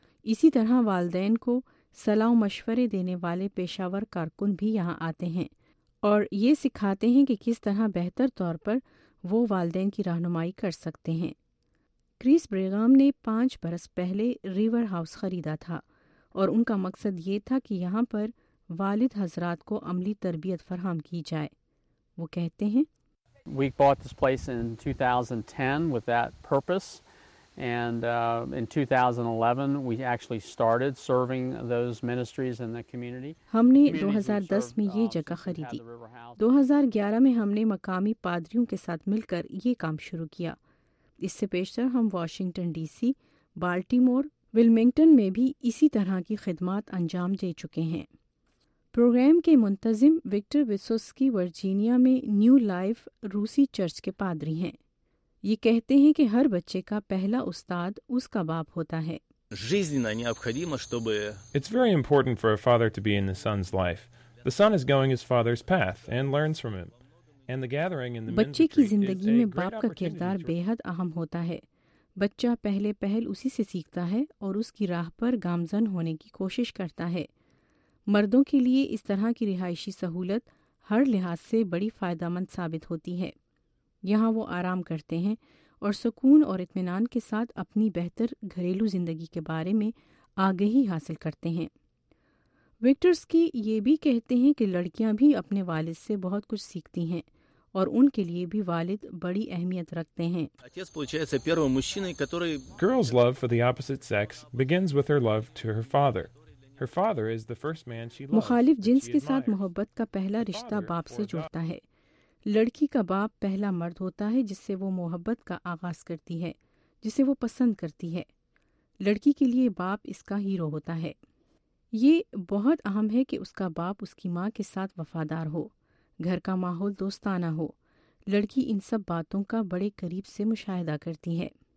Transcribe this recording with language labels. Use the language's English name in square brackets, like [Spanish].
[Urdu] اسی طرح والدین کو صلاح و مشورے دینے والے پیشہ ور کارکن بھی یہاں آتے ہیں اور یہ سکھاتے ہیں کہ کس طرح بہتر طور پر وہ والدین کی رہنمائی کر سکتے ہیں۔ کرس بریگام نے 5 برس پہلے ریور ہاؤس خریدا تھا اور ان کا مقصد یہ تھا کہ یہاں پر والد حضرات کو عملی تربیت فراہم کی جائے۔ وہ کہتے ہیں، [English] We bought this place in 2010 with that purpose. And in 2011, we actually started serving those ministries in the community. [Urdu] ہم نے 2010 میں یہ جگہ خریدی۔ 2011 میں ہم نے مقامی پادریوں کے ساتھ مل کر یہ کام شروع کیا۔ اس سے پیشتر ہم واشنگٹن ڈی سی، بالٹیمور، ولمنگٹن میں بھی اسی طرح کی خدمات انجام دے چکے ہیں۔ پروگرام کے منتظم وکٹر وسوسکی ورجینیا میں نیو لائف روسی چرچ کے پادری ہیں۔ یہ کہتے ہیں کہ ہر بچے کا پہلا استاد اس کا باپ ہوتا ہے۔ [English] It's very important for a father to be in the son's life. The son is going his father's path and learns from him. And the gathering in the ministry, [Urdu] بچے کی زندگی میں باپ کا کردار بے حد اہم ہوتا ہے۔ بچہ پہلے پہل اسی سے سیکھتا ہے اور اس کی راہ پر گامزن ہونے کی کوشش کرتا ہے۔ مردوں کے لیے اس طرح کی رہائشی سہولت ہر لحاظ سے بڑی فائدہ مند ثابت ہوتی ہے۔ یہاں وہ آرام کرتے ہیں اور سکون اور اطمینان کے ساتھ اپنی بہتر گھریلو زندگی کے بارے میں آگہی حاصل کرتے ہیں۔ وکٹرز کی یہ بھی کہتے ہیں کہ لڑکیاں بھی اپنے والد سے بہت کچھ سیکھتی ہیں اور ان کے لیے بھی والد بڑی اہمیت رکھتے ہیں۔ [English] Girls' love for the opposite sex begins with her love to her father. Her father is the first man she loves. [Urdu] مخالف جنس کے ساتھ محبت کا پہلا رشتہ باپ سے جڑتا ہے۔ لڑکی کا باپ پہلا مرد ہوتا ہے جس سے وہ محبت کا آغاز کرتی ہے، جسے وہ پسند کرتی ہے۔ لڑکی کے لیے باپ اس کا ہیرو ہوتا ہے۔ یہ بہت اہم ہے کہ اس کا باپ اس کی ماں کے ساتھ وفادار ہو، گھر کا ماحول دوستانہ ہو۔ لڑکی ان سب باتوں کا بڑے قریب سے مشاہدہ کرتی ہے۔